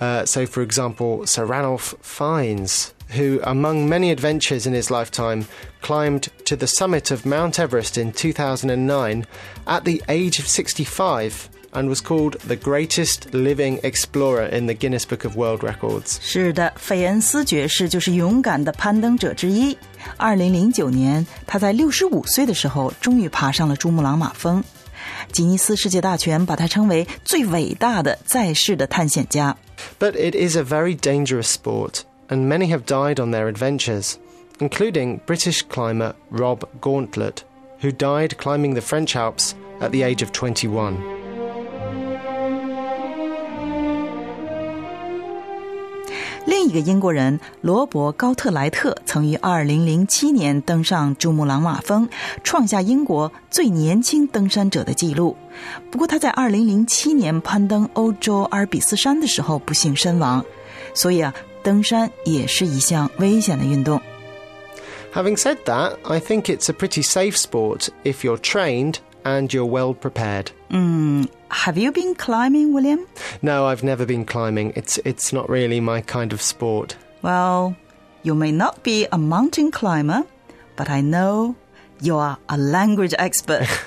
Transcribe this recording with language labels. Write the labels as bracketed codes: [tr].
[en] So, for example, Sir Ranulph Fiennes, who, among many adventures in his lifetime, climbed to the summit of Mount Everest in 2009 at the age of 65 and was called the greatest living explorer in the Guinness Book of World Records. [zh] 是的，费恩斯爵士就是勇敢的攀登者之一。 2009年，他在65岁的时候终于爬上了珠穆朗玛峰。吉尼斯世界大全把他称为最伟大的在世的探险家。 [en] But it is a very dangerous sport, and many have died on their adventures, including British climber Rob Gauntlet, who died climbing the French Alps at the age of 21. [zh] 另一个英国人罗伯·高特莱特曾于2007年登上珠穆朗玛峰，创下英国最年轻登山者的记录。不过他在2007年攀登欧洲阿尔卑斯山的时候不幸身亡，所以啊，登山也是一项危险的运动。 [en] Having said that, I think it's a pretty safe sport if you're trained and you're well prepared. Have you been climbing, William? No, I've never been climbing. It's not really my kind of sport. Well, you may not be a mountain climber, but I know you are a language expert.